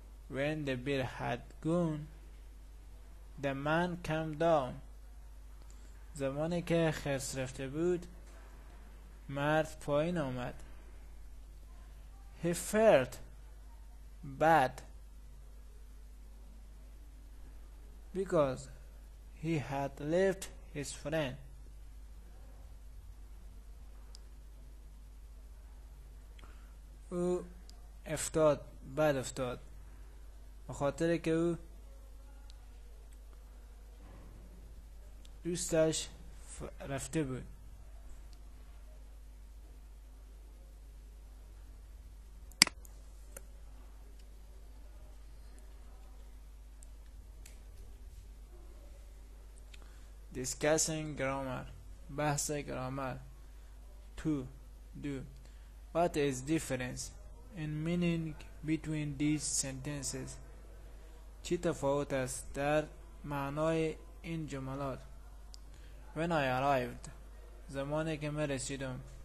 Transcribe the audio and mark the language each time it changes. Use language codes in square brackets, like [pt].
[en] When the bear had gone, the man came down. [fa] زمانی که خرس رفته بود، مرد پایین آمد. [en] He felt bad because he had left his friend. [fa] او افتاد، بد افتاد. بخاطر که او دوستش رفته بود. [en] Discussing grammar. [fa] بحث گرامر. [en] What is difference in meaning between these sentences? [fa] چی تفاوت است در معنای این جملات؟ [en] When I arrived, [fa] زمانی که من رسیدم.